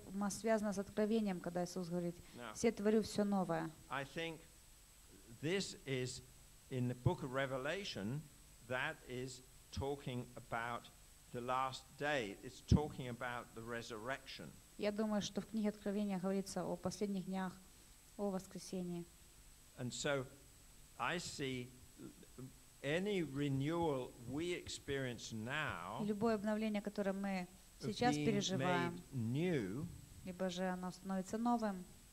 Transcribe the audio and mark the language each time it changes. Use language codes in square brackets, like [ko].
[ru] Связано с откровением, когда Иисус говорит: «Все творю все новое». [en] I think this is in the book of Revelation that is talking about the last day. It's talking about the resurrection. [ru] Я думаю, что в книге Откровения говорится о последних днях, о воскресении. [en] And so I see any renewal we experience now, [ru] любое обновление, которое мы сейчас переживаем, [en] new, [ru] либо же оно становится новым,